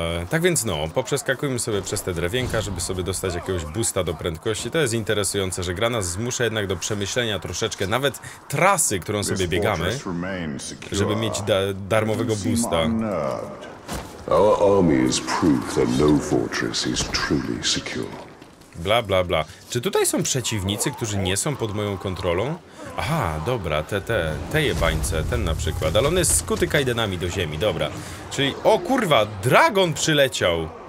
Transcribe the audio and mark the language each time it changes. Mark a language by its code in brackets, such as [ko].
[pl] Tak więc no, poprzeskakujmy sobie przez te drewienka, żeby sobie dostać jakiegoś boosta do prędkości. To jest interesujące, że gra nas zmusza jednak do przemyślenia troszeczkę nawet trasy, którą sobie biegamy, żeby mieć darmowego boosta. [en] Our army is proof that no fortress is truly secure. Bla bla bla. [pl] Czy tutaj są przeciwnicy, którzy nie są pod moją kontrolą? Aha, dobra, te jebańce, ten na przykład. Ale on jest skuty kajdenami do ziemi, dobra. Czyli, o kurwa, dragon przyleciał!